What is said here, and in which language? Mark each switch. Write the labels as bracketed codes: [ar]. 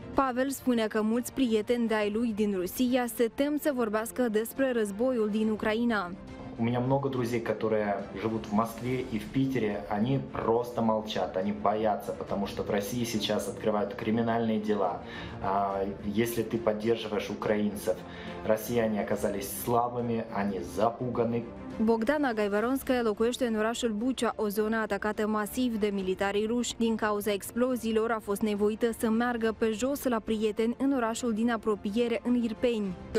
[ro] Pavel spune că mulți prieteni de-ai lui din Rusia se tem să vorbească despre războiul din Ucraina. [ru] У меня много друзей, которые живут в Москве и в Питере, они просто молчат, они боятся, потому что в России сейчас открывают криминальные дела. Если ты поддерживаешь украинцев, россияне оказались слабыми, они запуганы. [ro] Bogdana Gaivaronskaya locuiește în orașul Bucea, o zonă atacată masiv de militarii ruși. Din cauza exploziilor, a fost nevoită să meargă pe jos la prieteni în orașul din apropiere, în Irpeni.